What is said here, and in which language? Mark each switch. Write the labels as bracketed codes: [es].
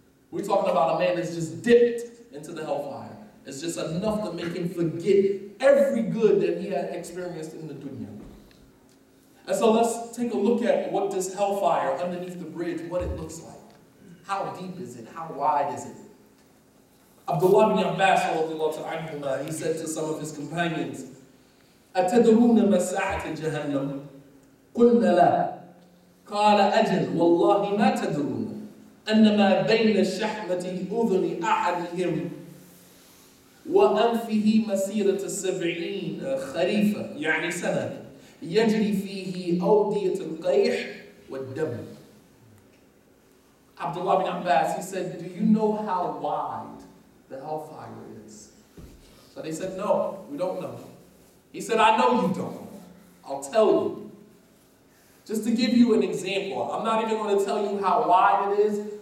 [en] We're talking about a man that's just dipped into the hellfire. It's just enough to make him forget every good that he had experienced in the dunya. And so let's take a look at what this hellfire underneath the bridge, what it looks like. How deep is it? How wide is it? Abdullah ibn Abbas, he said to some of his companions, [ar] أَتَدْرُونَ مَسَّعَةِ جَهَنَّمُ قُلْنَ لَا قَالَ أَجَلْ وَاللَّهِ مَا تَدْرُونَ أَنَّمَا بَيْنَ الشَّحْمَةِ أُذُنِ أَحَدِهِمْ وَأَنْفِهِ مَسِيرَةَ السَّبْعِينَ خَرِيفَ يعني سنة يَجْرِ فِيهِ أَوْدِيَةَ الْقَيْحِ وَالدَّمِ. [en] Abdullah ibn Abbas, he said, do you know how wide the hellfire is? So they said, no, we don't know. He said, I know you don't. I'll tell you. Just to give you an example, I'm not even going to tell you how wide it is.